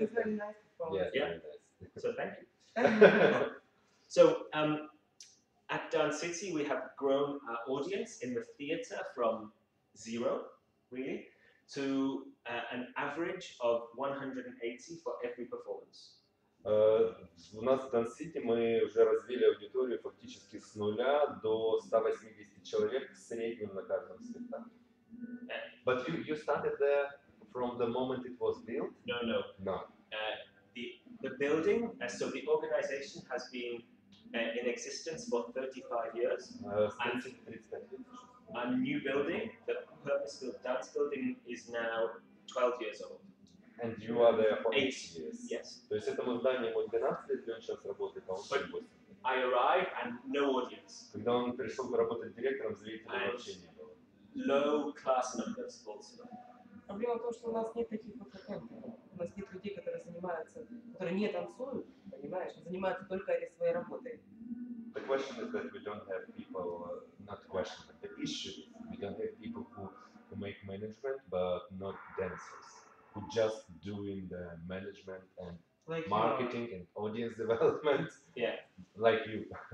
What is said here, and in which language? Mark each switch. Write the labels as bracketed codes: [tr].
[en] it's very nice. So thank you. So at Dance City, we have grown our audience in the theater from zero, really, to an average of 180 for every performance. [ru] У нас в Dance City мы уже развили аудиторию фактически с нуля до 180 человек в среднем на каждом спектакле. [en] But you started there from the moment it was built? No. The building, so the organization has been in existence for 35 years. And a new building, the purpose-built dance building, is now 12 years old. And you are there for 8 years. Yes. [ru] То есть этому зданию 12 лет, он сейчас работает, а он 8. [en] I arrived and no audience. [ru] Когда он пришел работать директором, зрителей вообще не было. [en] Low class numbers also. [ru] Проблема в том, что у нас нет таких компетентов. У нас нет людей, которые не танцуют, понимаешь, занимаются только этой своей работой. [en] The question is that we don't have people, not question, but the issue. We don't have people who make management, but not dancers, who just doing the management and like marketing and audience development. Yeah. Like you.